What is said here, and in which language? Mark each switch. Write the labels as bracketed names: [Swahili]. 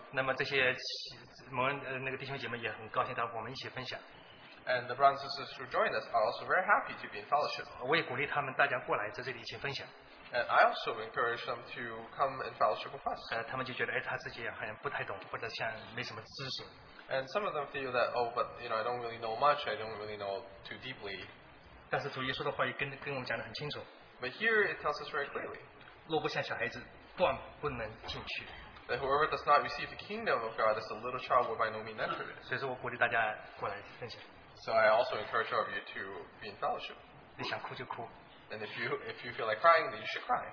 [Chinese] 那么这些蒙恩那个弟兄姐妹也很高兴，到我们一起分享。 [English] And the brothers and sisters who join us are also very happy to be in fellowship. [Chinese] 我也鼓励他们大家过来在这里一起分享。 [English] And I also encourage them to come and fellowship with us. [Chinese] 他们就觉得，哎，他自己好像不太懂，或者像没什么知识。 [English] And some of them feel that, oh, but you know, I don't really know much. I don't really know too deeply. [Chinese] 但是主耶稣的话也跟我们讲得很清楚。 [English] But here it tells us very clearly. [Chinese] 若不像小孩子，断不能进去。 [English] That whoever does not receive the kingdom of God as a little child will by no means enter it. [Chinese] 所以说我鼓励大家过来分享。 [English] So I also encourage all of you to be in fellowship. [Chinese] 你想哭就哭。 [English] And if you feel like crying, then you should cry.